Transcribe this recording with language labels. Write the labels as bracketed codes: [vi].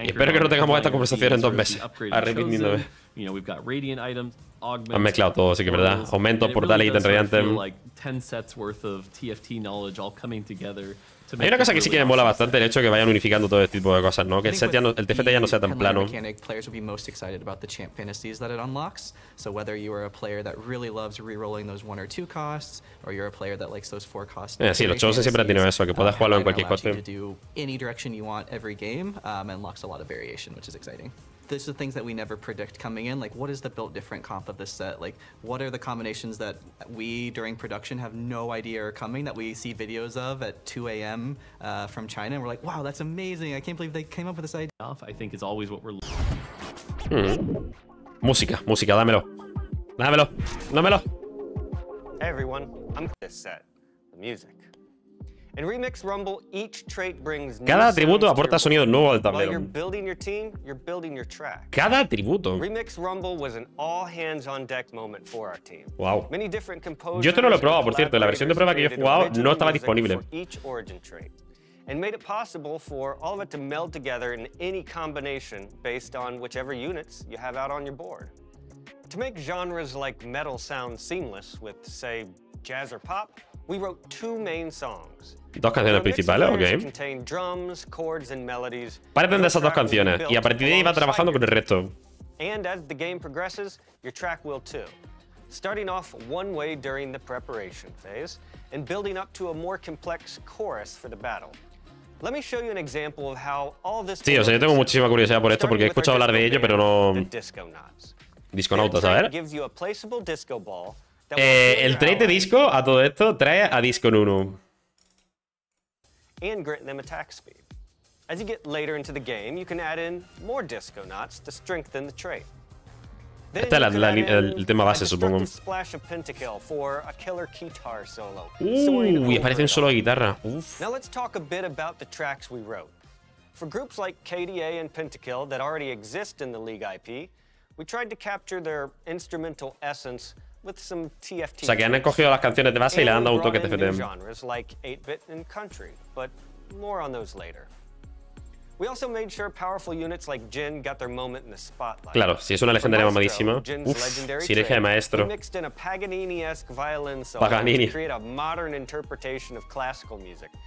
[es] y espero que no tengamos esta conversación en 2 meses, arrepintiéndome. [en] You know, we've got radiant items, augments. [es] Han mezclado todo, así que verdad. Aumento, portal, ítem radiante. [en] Like 10 sets worth of TFT knowledge all coming together. [es] Hay una cosa que sí que me mola bastante, el hecho de que vayan unificando todo este tipo de cosas, ¿no? Que el TFT ya no sea tan plano. [en] Players will be most excited about the champ fantasies that it unlocks. So whether you are a player that really loves rerolling those one or two costs, or you're a player that likes those four costs. [es] Sí, los chosen siempre han tenido eso, que puedas jugarlo en cualquier coste. [en] To do any direction you want every game, and unlocks a lot of variation, which is exciting. These are things that we never predict coming in. Like, what is the built different comp of this set? Like, what are the combinations that we, during production, have no idea are coming that we see videos of at 2 a.m. From China? And we're like, wow, that's amazing. I can't believe they came up with this idea. I think it's always what we're looking [es] for. Música, música, dámelo. Dámelo, dámelo. [en] Hey, everyone. I'm this set, the music. In Remix Rumble, each trait brings new [es] cada atributo aporta sonido nuevo al tablero. [en] You're building your team, you're building your track. [es] Cada atributo. [en] Remix Rumble was an all hands on deck moment for our team. Wow. Many different composers. [es] Yo esto no lo he probado, por cierto. La versión de prueba que yo he jugado no estaba disponible. [en] Each origin trait, and made it possible for all of it to meld together in any combination based on whichever units you have out on your board. To make genres like metal sound seamless with, say, jazz or pop. We wrote two main songs. [es] Dos canciones principales, okay. [en] Contain drums, chords, and melodies. [es] Parten de esas dos canciones, y a partir de ahí va trabajando con el resto. [en] And as the game progresses, your track will too. Starting off one way during the preparation phase, and building up to a more complex chorus for the battle. Let me show you an example of how all this. [es] Sí, o sea, yo tengo muchísima curiosidad por esto porque he escuchado hablar de ello, pero no. [en] Disco Knots. [es] Disconautas, a ver. [en] Gives you a placeable disco ball. [es] El trait de disco a todo esto trae a disco en uno. [en] And grant them attack speed. As you get later into the game, you can add in more disco knots to strengthen the trait. [es] Then esta es el tema base, supongo. [en] Splash of pentakill for a killer guitar solo. [es] Y aparece un solo de guitarra. Uf. [en] Now let's talk a bit about the tracks we wrote. For groups like KDA and Pentakill that already exist in the League IP, we tried to capture their instrumental essence. With some TFT, [es] o sea, que han cogido las canciones de base y le han dado un toque TFT. [en] Genres like 8-bit and country, but more on those later. We also made sure powerful units like Jin got their moment in the spotlight. [es] Claro, si es una legendaria mamadísima. Uf, si eres el maestro. [en] Mixed in a Paganini-esque violin solo Paganini. To create a modern interpretation of classical music.